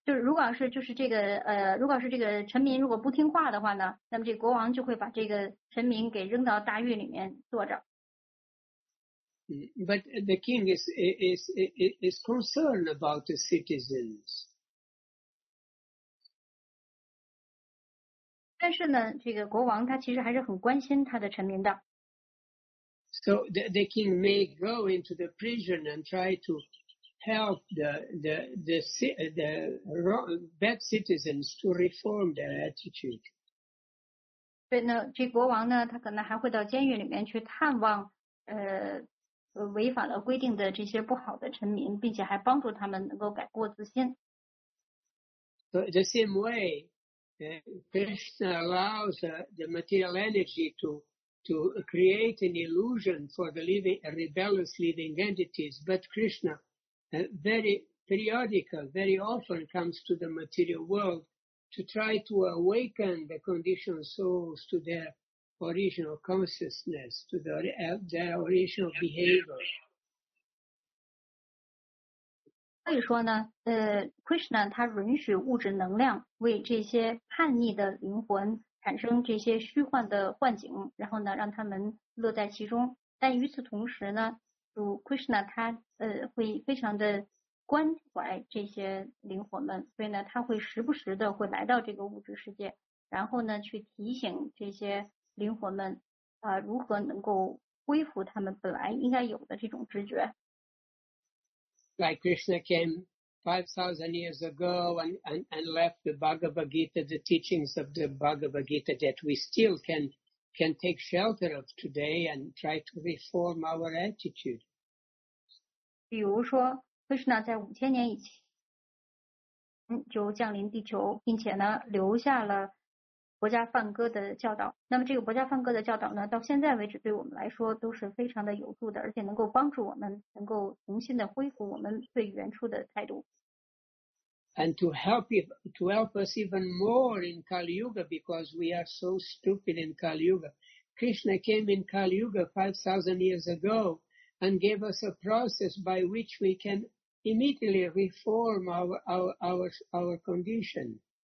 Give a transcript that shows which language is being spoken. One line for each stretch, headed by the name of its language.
Chinese: 就是如果是这个如果是这个臣民如果不听话的话呢，那么这个国王就会把这个臣民给扔到大狱里面坐着。
English: But the king is concerned about the citizens.
Chinese: 但是呢，这个国王他其实还是很关心他的臣民的。
English: So the king may go into the prison and try to help the bad citizens to reform their attitude.
Chinese: 对呢，这国王呢，他可能还会到监狱里面去探望违反了规定的这些不好的臣民，并且还帮助他们能够改过自新。
English: So the same way, Krishna allows the material energy to create an illusion for the living, rebellious living entities, but Krishna very often comes to the material world to try to awaken the conditioned souls to their original consciousness, to their original behavior.
Chinese: 所以说呢，Krishna 他允许物质能量为这些叛逆的灵魂产生这些虚幻的幻境，然后呢，让他们乐在其中。但与此同时呢，主 Krishna 他会非常的关怀这些灵魂们，所以呢，他会时不时的会来到这个物质世界，然后呢，去提醒这些灵魂们如何能够恢复他们本来应该有的这种知觉。
English: Like Krishna came 5,000 years ago and left the Bhagavad Gita, the teachings of the Bhagavad Gita that we still can take shelter of today and try to reform our attitude.
Chinese: 比如说 Krishna 在5000年以前就降临地球，并且呢留下了国家梵歌的教导，那么这个国家梵歌的教导呢，到现在为止对我们来说都是非常的有助的，而且能够帮助我们能够重新的恢复我们对原初的态度。
English: And to help us even more in Kali Yuga, because we are so stupid in Kali Yuga. Krishna came in Kali Yuga 5,000 years ago and gave us a process by which we can immediately reform our condition.